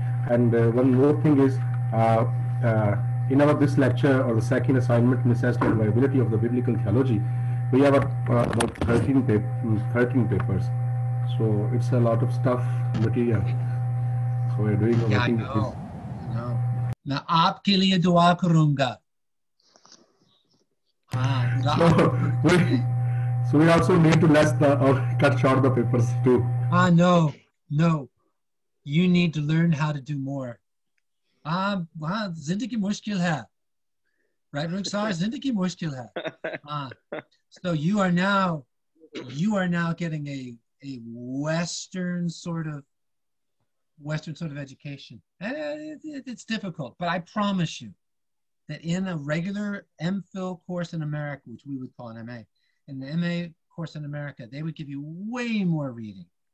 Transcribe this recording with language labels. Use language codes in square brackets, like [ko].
[en] And one more thing is, in our this lecture or the second assignment, assessment of the viability of the biblical theology, we have about 13 papers. So it's a lot of stuff, material. So we're doing a thing. Yeah, I know. [ur] نا آپ کے لیے دعا کروں گا۔ [en] So we also need to less the or cut short the papers too. No. You need to learn how to do more. [ur] زندگی مشکل ہے۔ [en] Right, Ruksar? [ur] زندگی مشکل ہے۔ [en] So you are now getting a Western sort of education. It's difficult, but I promise you that in a regular MPhil course in America, which we would call an MA, in the MA course in America, they would give you way more reading.